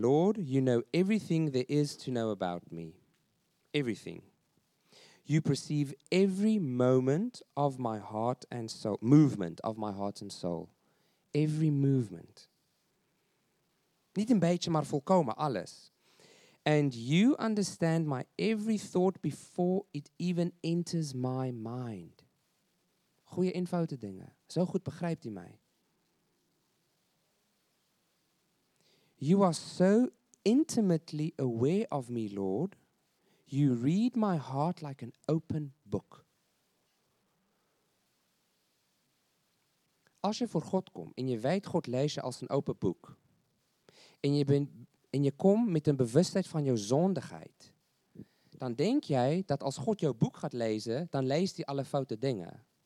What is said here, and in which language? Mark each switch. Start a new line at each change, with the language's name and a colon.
English: Lord, you know everything there is to know about me. Everything. You perceive every moment of my heart and soul. Movement of my heart and soul. Every movement.
Dutch: Niet een beetje, maar volkomen alles.
English: And you understand my every thought before it even enters my mind.
Dutch: Goeie eenvoudige dingen. Zo goed begrijpt hij mij.
English: You are so intimately aware of me, Lord. You read my heart like an open book.
Dutch: Als je voor God komt en je weet God lezen als een open boek. En je komt met een bewustheid van jouw zondigheid. Dan denk jij dat als God jouw boek gaat lezen, dan leest hij alle foute dingen.